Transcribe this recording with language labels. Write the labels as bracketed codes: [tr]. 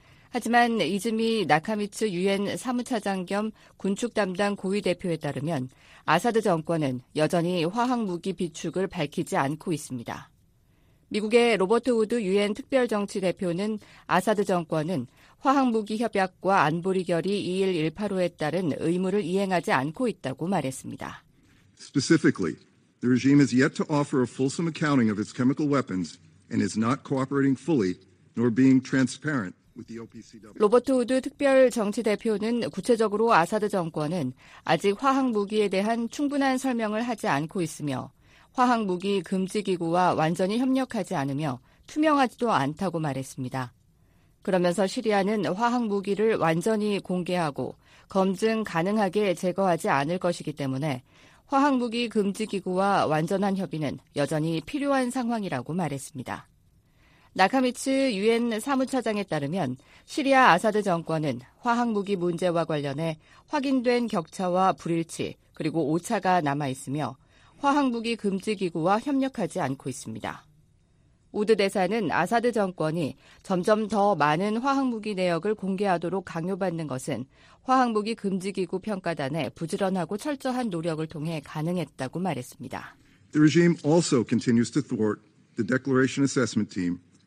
[ko] 하지만 이즈미 나카미츠 유엔 사무차장 겸 군축 담당 고위 대표에 따르면 아사드 정권은 여전히 화학무기 비축을 밝히지 않고 있습니다. 미국의 로버트 우드 유엔 특별정치 대표는 아사드 정권은 화학무기 협약과 안보리 결의 21185에 따른 의무를 이행하지 않고 있다고 말했습니다. [en] Specifically, the regime has yet to offer a fulsome accounting of its chemical weapons and is not cooperating fully nor being transparent. [ko] 로버트 우드 특별정치대표는 구체적으로 아사드 정권은 아직 화학무기에 대한 충분한 설명을 하지 않고 있으며 화학무기 금지기구와 완전히 협력하지 않으며 투명하지도 않다고 말했습니다. 그러면서 시리아는 화학무기를 완전히 공개하고 검증 가능하게 제거하지 않을 것이기 때문에 화학무기 금지기구와 완전한 협의는 여전히 필요한 상황이라고 말했습니다. 나카미츠 유엔 사무차장에 따르면 시리아 아사드 정권은 화학무기 문제와 관련해 확인된 격차와 불일치 그리고 오차가 남아있으며 화학무기 금지기구와 협력하지 않고 있습니다. 우드 대사는 아사드 정권이 점점 더 많은 화학무기 내역을 공개하도록 강요받는 것은 화학무기 금지기구 평가단의 부지런하고 철저한 노력을 통해 가능했다고 말했습니다. [en] The regime also continues to thwart the declaration assessment team.